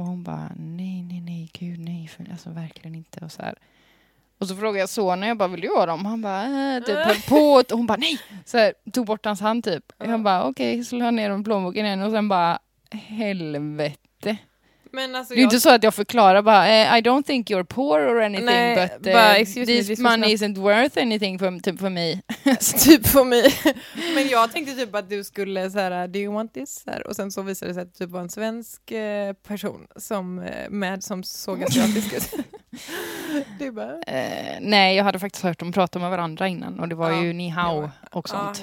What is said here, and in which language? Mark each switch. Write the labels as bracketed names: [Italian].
[Swedish] Och hon bara, nej, gud nej, för, alltså verkligen inte. Och så här. Och så frågade jag sonen, jag bara, vill du ha dem? Och han bara, typ på. Och hon bara, nej! Så här, tog bort hans hand typ. Och han bara, okej, så la ner dem i plånboken igen. Och sen bara, helvete. Men alltså det är inte så att jag förklarar bara [English] I don't think you're poor or anything. Nej, but this money isn't worth anything for me. [Swedish] Typ för mig. Men jag tänkte typ att du skulle så här, [English] do you want this? [Swedish] Och sen så visade det sig att du typ var en svensk person som såg att jag fiskade. Du bara... Nej, jag hade faktiskt hört dem prata med varandra innan. Och det var ju ni hao och sånt.